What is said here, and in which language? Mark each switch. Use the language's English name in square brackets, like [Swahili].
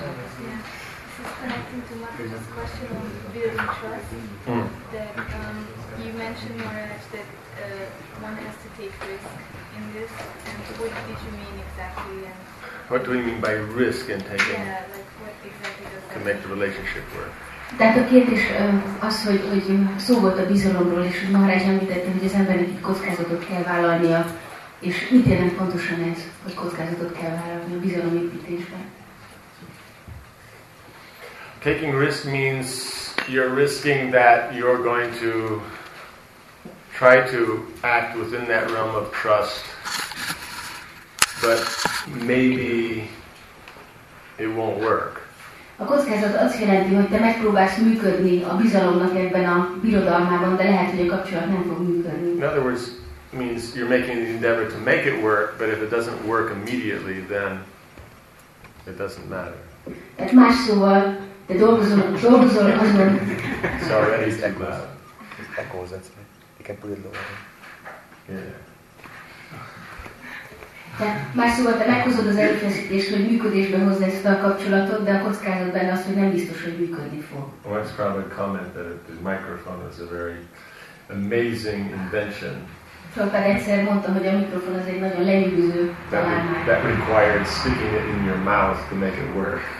[English] Yeah, this is connecting to Marcus's question on building trust. That you mentioned, Maharaj, that one has to take risk in this. And what did you mean exactly? What do you mean by risk in taking? Yeah, like what exactly does that connect the relationship work? [Hungarian] Tehát a kérdés az, hogy szó volt a bizalomról, és Maharaj említette, hogy az embernek itt kockázatot kell vállalnia, és mit jelent pontosan ez, hogy kockázatot kell vállalni a bizalomépítésben? [English] Taking risk means you're risking that you're going to try to act within that realm of trust, but maybe it won't work. [Hungarian] A kockázat azt jelenti, hogy te megpróbálsz működni a bizalomnak ebben a birodalmában, de lehet, hogy a kapcsolat nem fog működni. [English] In other words, means you're making the endeavor to make it work, but if it doesn't work immediately, then it doesn't matter. [Hungarian] Tehát más szóval, te dolgozol azon. [English] Sorry, it's echoes. It's echoes, that's right. You can put it lower. Yeah. [Hungarian] Tehát más szóval te meghozod az erőfeszítést, hogy működésbe hozd ezt a kapcsolatot, de a kockázat benne az, hogy nem biztos, hogy működni fog. [English] Once probably comment that the microphone is a very amazing invention. [Hungarian] Szóval egyszer mondtam, hogy a mikrofon az egy nagyon lenyűgöző találmány. [English] That required sticking it in your mouth to make it work.